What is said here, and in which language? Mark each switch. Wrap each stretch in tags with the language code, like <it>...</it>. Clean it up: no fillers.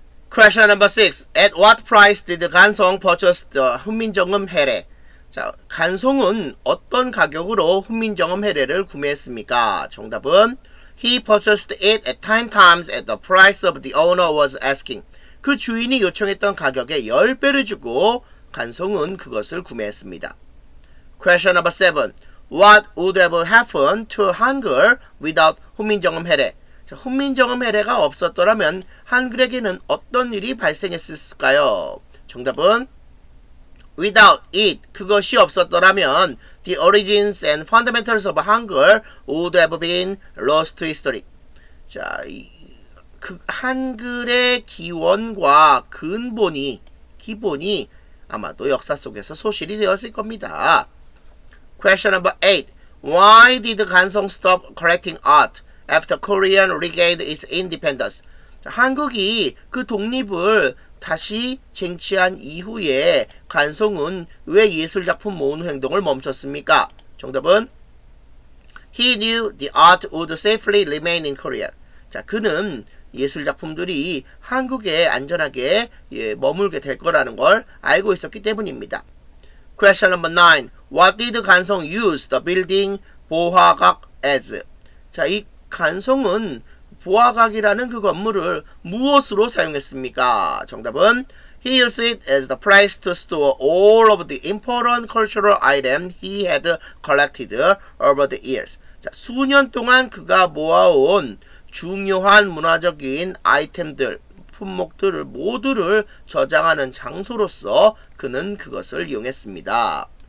<en>Question number 6. At what price did 간송 purchase the 훈민정음 해례?</en> <ko>자, 간송은 어떤 가격으로 훈민정음 해례를 구매했습니까? 정답은</ko> <en>He purchased it at 10 times at the price of the owner was asking.</en> <ko>그 주인이 요청했던 가격에 10배를 주고 간송은 그것을 구매했습니다.</ko> <en>Question number 7. What would have happened to Hangul without 훈민정음 해례?</en> <ko>자, 훈민정음 해례가 없었더라면 한글에게는 어떤 일이 발생했을까요? 정답은</ko> <en>Without it,</en> <ko>그것이 없었더라면</ko> <en>The origins and fundamentals of Hangul would have been lost to history.</en> <ko>자, 그 한글의 기원과 근본이, 기본이 아마도 역사 속에서 소실이 되었을 겁니다.</ko> <en>Question number 8. Why did 간송 stop collecting art after Korea regained its independence?</en> <ko>자, 한국이 그 독립을 다시 쟁취한 이후에 간송은 왜 예술작품 모으는 행동을 멈췄습니까? 정답은</ko> <en>He knew the art would safely remain in Korea.</en> <ko>자, 그는 예술작품들이 한국에 안전하게 머물게 될 거라는 걸 알고 있었기 때문입니다.</ko> <en>Question number 9. What did 간송 use the building 보화각 as?</en> <ko>자, 이 간송은 보화각이라는 그 건물을 무엇으로 사용했습니까? 정답은</ko> <en>He used it as the place to store all of the important cultural items he had collected over the years.</en> <ko>자, 수년 동안 그가 모아온 중요한 문화적인 아이템들, 품목들을 모두를 저장하는 장소로서 그는 그것을 이용했습니다.</ko>